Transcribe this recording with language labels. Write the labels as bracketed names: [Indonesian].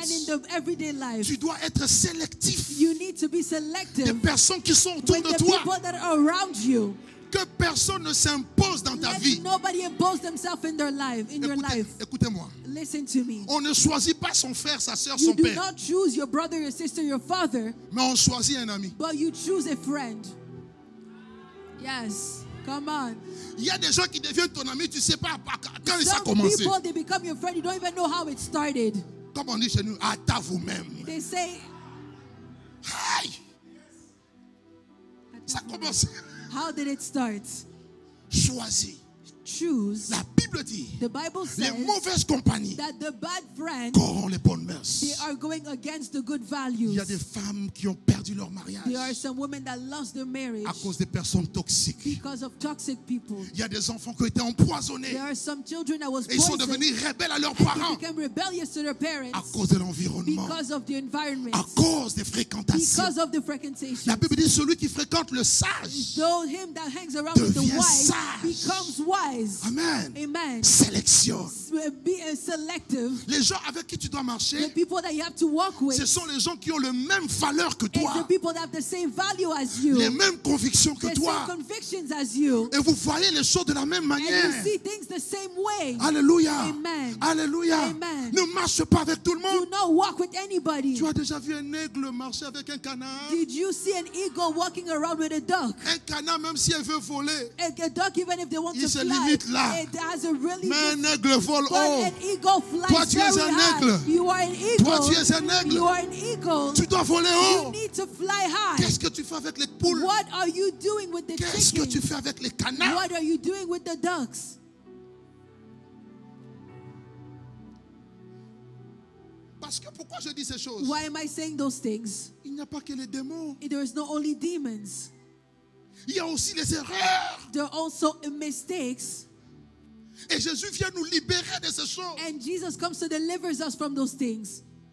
[English] and in the everyday life, [French] tu dois être sélectif. [English] You need to be selective [French] des personnes qui sont autour de toi. [English] People that are around you. [French] Que personne ne s'impose dans [English] let [French] ta vie. [English] Nobody impose themselves in their life. In [French] écoutez, [English] your life. [French] Écoutez-moi. [English] Listen to me. [French] On ne choisit pas son frère, sa sœur, son père. [English] not choose your brother, your sister, your father. [French] Mais on choisit un ami. [English] But you choose a friend. Yes. Come on. [French] Il y a des gens qui deviennent ton ami, tu sais pas quand ça a commencé. [English] Some people they become your friend, you don't even know how it started. [French] Comme on dit chez nous, à ta vous-même. [English] They say, [French] hey, ça a commencé. [English] How did it start? [French] Choisis. [English] Choose. [French] La Bible dit. [English] The Bible says. [French] Les mauvaises compagnies. [English] That the bad friends. [French] Corrompt les bonnes mœurs. [English] They are going against the good values. [French] Il y a des femmes qui ont perdu leur mariage. [English] There are some women that lost their marriage. [French] À cause des personnes toxiques. [English] Because of toxic people. [French] Il y a des enfants qui ont été empoisonnés. [English] There are some children that was poisoned. [French] Ils sont devenus rebelles à leurs parents. [English] They became rebellious to their parents. [French] À cause de l'environnement. [English] Because of the environment. [French] À cause des fréquentations. [English] Because of the fréquentations. [French] La Bible dit celui qui fréquente le sage. [English] Though him that hangs around with the wise. [French] Devient sage. [English] Becomes wise. Amen. Amen. [French] Sélection. [English] Be selective. [French] Les gens avec qui tu dois marcher, [English] the people that you have to walk with, [French] ce sont les gens qui ont le même valeur que toi. [English] The people that have the same value as you, [French] les mêmes convictions que toi. [English] Same convictions as you, [French] et vous voyez les choses de la même manière. [English] And you see things the same way. Alléluia. Amen. Alléluia. Amen. [French] Ne marche pas avec tout le monde. [English] Do not walk with anybody. [French] Tu as déjà vu un aigle marcher avec un canard? [English] Did you see an eagle walking around with a duck? [French] Un canard, même si elle veut voler, [English] a duck, even if they want [French] il [English] to [French] se [English] fly, [French] limite là. [English] It has a really [French] mais [English] good, [French] un aigle vole. [English] But an eagle flies very high. You are an eagle. [French] Toi, tu es un aigle. [English] You are an eagle. [French] Tu dois voler haut. [English] You need to fly high. [French] Qu'est-ce que tu fais avec les poules? [English] What are you doing with the [French] qu'est-ce [English] chickens? [French] Que tu fais avec les canards? [English] What are you doing with the ducks? [French] Parce que pourquoi je dis ces choses? [English] Why am I saying those things? [French] Il n'y a pas que les démons. [English] There is not only demons. [French] Il y a aussi les erreurs. [English] There are also mistakes. [French] Et Jésus vient nous libérer de ces choses. [English] And Jesus comes to deliver us from those things.